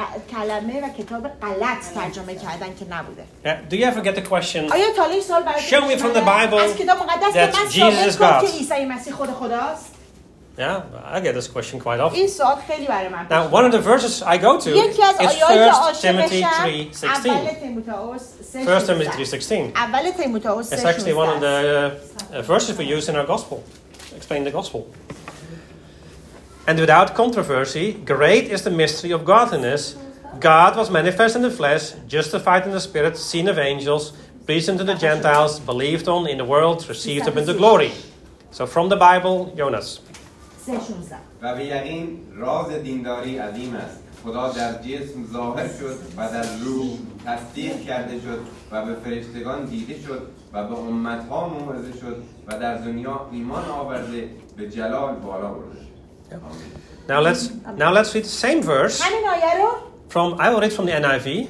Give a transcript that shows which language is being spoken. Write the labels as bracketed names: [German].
[Persian] کلمه و کتاب غلط ترجمه کردن که نبوده. [English] Do you ever get the question? [Persian] آیا تا این سال برای [English] Show me from the Bible [Persian] از کتاب مقدس [English] that Jesus [Persian] God. که عیسی مسیح خود خداست. [English] Yeah, I get this question quite often. [Persian] این سوال خیلی برای من. [English] Now, one of the verses I go to is 1 Timothy 3:16. 1 Timothy 3:16. [Persian] اول تیموتائوس 3:16. [English] It's actually one of the verses we use in our gospel. Explain the gospel. And without controversy, great is the mystery of godliness. God was manifest in the flesh, justified in the spirit, seen of angels, preached to the Gentiles, believed on in the world, received up into glory. So from the Bible, Jonas. [Persian] و به یقین راز دینداری عظیم است خدا در جسم ظاهر شد و در روح تصدیق کرده شد و به فرشتگان دیده شد و به امت ها موعظه شد و در دنیا ایمان آورده به جلال بالا برده شد. [English] Now let's read the same verse from I will read from the NIV.